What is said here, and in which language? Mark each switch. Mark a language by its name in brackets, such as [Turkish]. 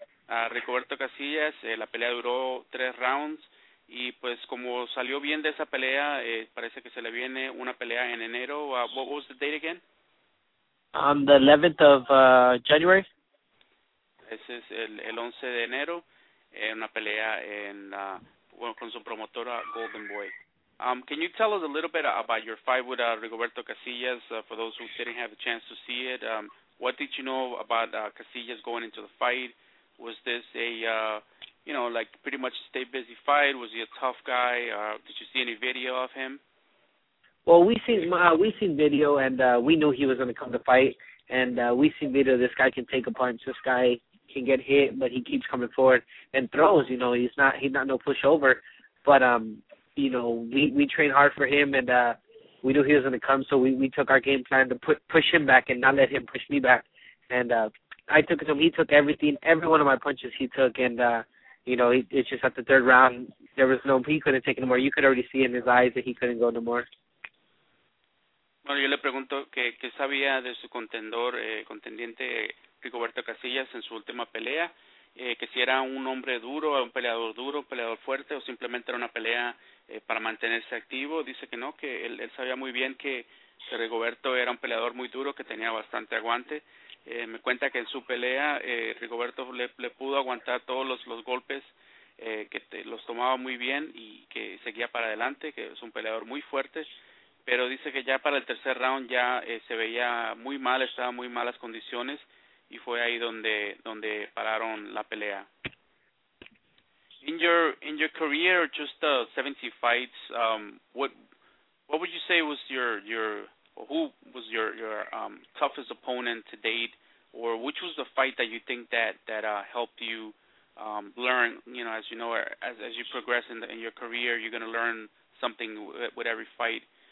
[Spanish] Rigoberto Casillas, la pelea duró 3 rounds y pues como salió bien de esa pelea, parece que se le viene una pelea en enero. [English] What was the date again? The 11th of January. [Spanish] Ese es el 11 de enero, una pelea con su promotora Golden Boy. [English] Can you tell us a little bit about your fight with Rigoberto Casillas? For those who didn't have a chance to see it, what did you know about Casillas going into the fight? Was this a, you know, like pretty much a stay busy fight? Was he a tough guy? Did you see any video of him? Well, we seen video, and we knew he was going to come to fight, and we seen video. This guy can take a punch. This guy can get hit, but he keeps coming forward and throws. You know, he's not no pushover, but you know, we trained hard for him, and we knew he was going to come. So we took our game plan to push him back and not let him push me back. And I took it to him. He took everything, every one of my punches he took, and you know, it's just at the third round, there was no, he couldn't take it anymore. You could already see in his eyes that he couldn't go no more. [Spanish] Bueno, yo le pregunto qué sabía de su contendiente Rigoberto Casillas en su última pelea, que si era un hombre duro, un peleador fuerte, o simplemente era una pelea para mantenerse activo. Dice que no, que él sabía muy bien que Rigoberto era un peleador muy duro, que tenía bastante aguante. Me cuenta que en su pelea Rigoberto le pudo aguantar todos los golpes, los tomaba muy bien y que seguía para adelante, que es un peleador muy fuerte. Pero dice que ya para el tercer round ya se veía muy mal, estaba en muy malas condiciones, y fue ahí donde pararon la pelea. [English] In your career, just 70 fights. What would you say was your toughest opponent to date, or which was the fight that you think that helped you learn? You know, as you know, as you progress in your career, you're going to learn something with every fight.